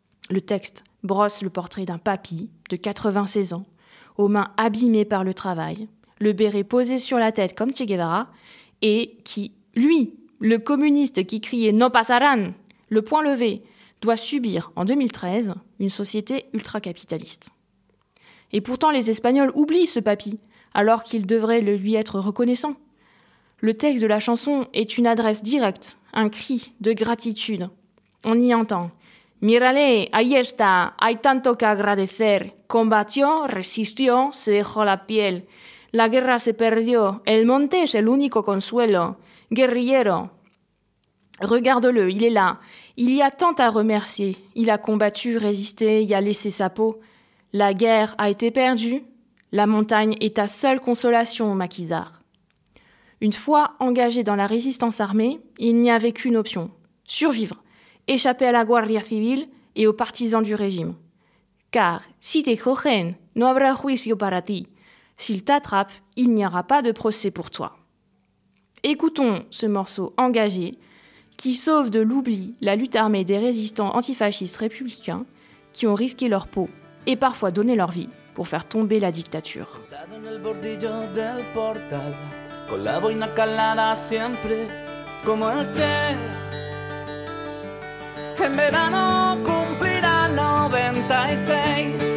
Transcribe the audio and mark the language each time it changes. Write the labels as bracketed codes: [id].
[fr] Le texte brosse le portrait d'un papy de 96 ans, aux mains abîmées par le travail, le béret posé sur la tête comme Che Guevara, et qui, lui, le communiste qui criait « No pasarán », le poing levé, doit subir, en 2013, une société ultra-capitaliste. Et pourtant, les Espagnols oublient ce papy, alors qu'ils devraient le lui être reconnaissants. Le texte de la chanson est une adresse directe, un cri de gratitude. On y entend [es] « Mírale, ahí está, hay tanto que agradecer. Combatió, resistió, se dejó la piel. La guerra se perdió, el monte es el único consuelo. Guerrillero. [fr] » Regarde-le, il est là. Il y a tant à remercier. Il a combattu, résisté, y a laissé sa peau. La guerre a été perdue. La montagne est ta seule consolation, maquisard. Une fois engagé dans la résistance armée, il n'y avait qu'une option. Survivre. Échapper à la Guardia Civil et aux partisans du régime. Car [es] si te cogen, no habrá juicio para ti. [fr] S'il t'attrape, il n'y aura pas de procès pour toi. Écoutons ce morceau engagé qui sauve de l'oubli la lutte armée des résistants antifascistes républicains qui ont risqué leur peau et parfois donné leur vie pour faire tomber la dictature. [es] Soldado en el bordillo del portal, con la boina calada siempre, como el Che. En verano cumplirá 96.